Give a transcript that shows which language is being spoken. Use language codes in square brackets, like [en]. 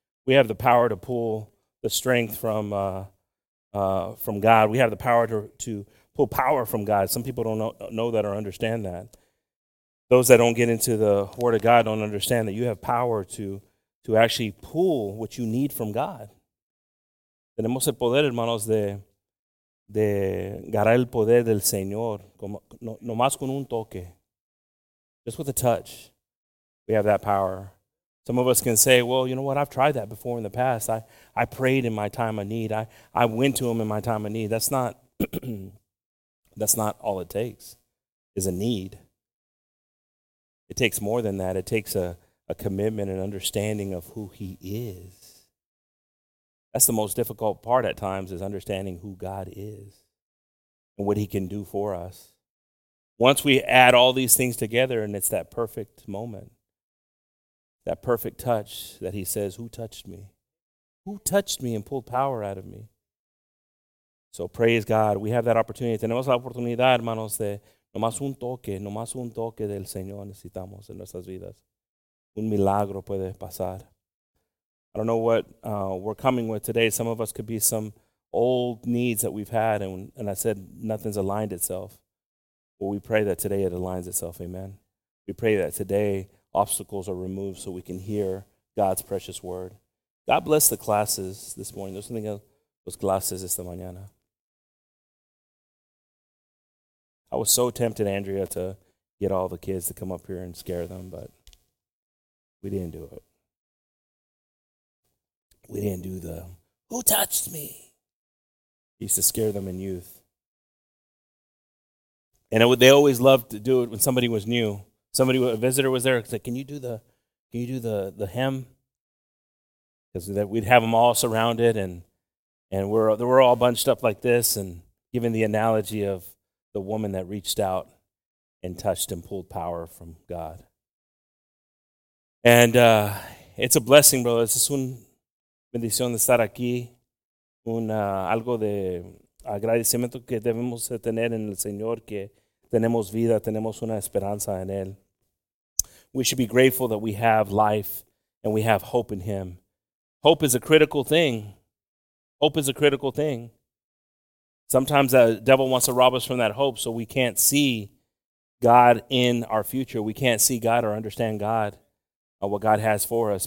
[en] We have the power to pull the strength from God. We have the power to pull power from God. Some people don't know that or understand that. Those that don't get into the Word of God don't understand that you have power to actually pull what you need from God. [es] Tenemos el poder, hermanos, de agarrar el poder del Señor, nomás con un toque. [en] Just with a touch, we have that power. Some of us can say, well, you know what, I've tried that before in the past. I prayed in my time of need. I went to him in my time of need. That's not that's not all it takes, is a need. It takes more than that. It takes a commitment and understanding of who he is. That's the most difficult part at times, is understanding who God is and what he can do for us. Once we add all these things together and it's that perfect moment, that perfect touch that he says, who touched me? Who touched me and pulled power out of me? So praise God. We have that opportunity. [es] Tenemos la oportunidad, hermanos, de nomás un toque del Señor necesitamos en nuestras vidas. Un milagro puede pasar. [en] I don't know what we're coming with today. Some of us could be some old needs that we've had, and I said nothing's aligned itself. Well, we pray that today it aligns itself, amen. We pray that today obstacles are removed so we can hear God's precious word. God bless the classes this morning. There's something else, those classes [es] esta mañana. [en] I was so tempted, Andrea, to get all the kids to come up here and scare them, but we didn't do it. We didn't do the, who touched me? We used to scare them in youth. And they always loved to do it when somebody was new. Somebody, a visitor was there, said, like, can you do the hymn? Because we'd have them all surrounded, and we're all bunched up like this, and given the analogy of the woman that reached out and touched and pulled power from God. And it's a blessing, brother. [es] Es un bendición de estar aquí, un algo de agradecimiento que debemos tener en el Señor, que tenemos vida, tenemos una esperanza en él. [en] We should be grateful that we have life and we have hope in him. Hope is a critical thing. Hope is a critical thing. Sometimes the devil wants to rob us from that hope, so we can't see God in our future. We can't see God or understand God or what God has for us.